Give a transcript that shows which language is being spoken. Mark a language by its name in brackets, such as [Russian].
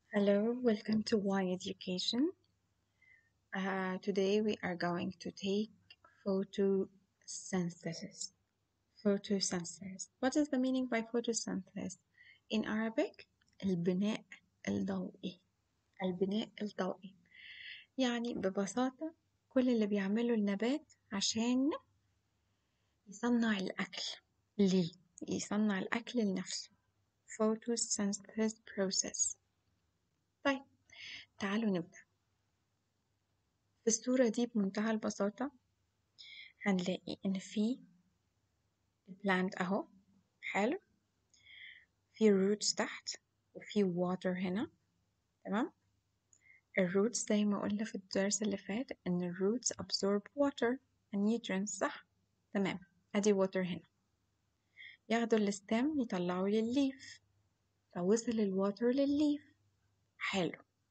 [English] Hello, welcome to Why Education. Today we are going to take photosynthesis. Photosynthesis. What is the meaning by photosynthesis? In Arabic, [Arabic] البناء الضوئي. البناء الضوئي. يعني ببساطة كل اللي بيعمله النبات عشان يصنع الأكل. ليه؟ يصنع الأكل لنفسه. [English] Photosynthesis process. [Arabic] تعالوا نبدأ. في الصورة دي بمنتهى البساطة هنلاقي إن في البلانت أهو، حلو، في روتس تحت وفي واتر هنا، تمام. الروتس زي ما قلنا في الدرس اللي فات إن الروتس [English] absorb water and nutrients، [Arabic] صح؟ تمام، أدي واتر هنا، ياخدوا الستام يطلعوا للليف، فوصل الواتر للليف، حلو.